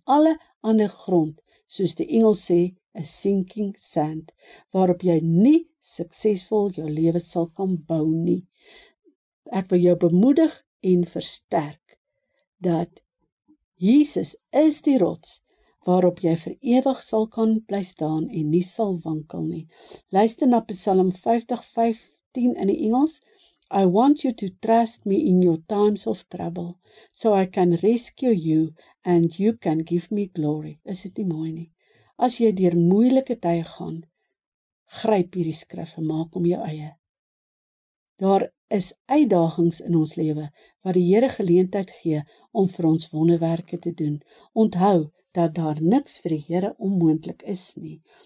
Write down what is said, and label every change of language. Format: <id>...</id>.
<af>Alle ander grond, soos die Engels sê, 'n</af> <en>sinking sand,</en> <af>waarop jy nie suksesvol jou lewe sal kan bou nie. Ek wil jou bemoedig en versterk, dat Jesus is die rots, waarop jy vir ewig sal kan bly staan en nie sal wankel nie. Luister na Psalm 50:15 in die Engels.</af> <en>I want you to trust me in your times of trouble, so I can rescue you and you can give me glory.</en> <af>Is dit nie mooi nie? As jy deur moeilike tye gaan, gryp hierdie skrif en maak om jou eie. Daar is uitdagings in ons lewe wat die Here geleentheid gee om vir ons wonderwerke te doen. Onthou dat daar niks vir die Here onmoontlik is nie.</af>